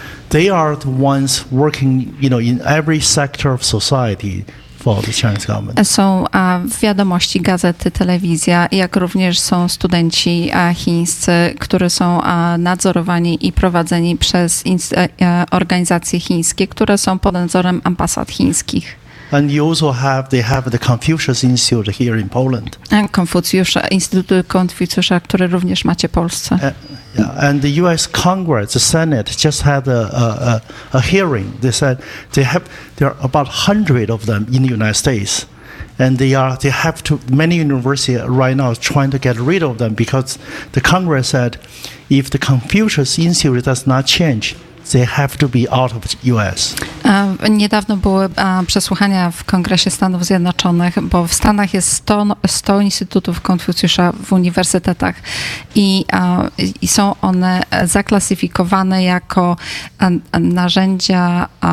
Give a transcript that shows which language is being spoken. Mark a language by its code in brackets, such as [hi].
[en] They are the ones working, you know, in every sector of society for the Chinese government. [pl] Są wiadomości, gazety, telewizja, jak również są studenci chińscy, którzy są nadzorowani i prowadzeni przez organizacje chińskie, które są pod nadzorem ambasad chińskich. [en] And you also have, they have the Confucius Institute here in Poland. [pl] Instytut Konfucjusza, który również macie w Polsce. [en] And the U.S. Congress, the Senate, just had a hearing. They said there are about 100 of them in the United States, and many universities right now are trying to get rid of them, because the Congress said if the Confucius Institute does not change, they have to be out of the U.S. [pl] Niedawno były przesłuchania w Kongresie Stanów Zjednoczonych, bo w Stanach jest 100 instytutów Konfucjusza w uniwersytetach i są one zaklasyfikowane jako narzędzia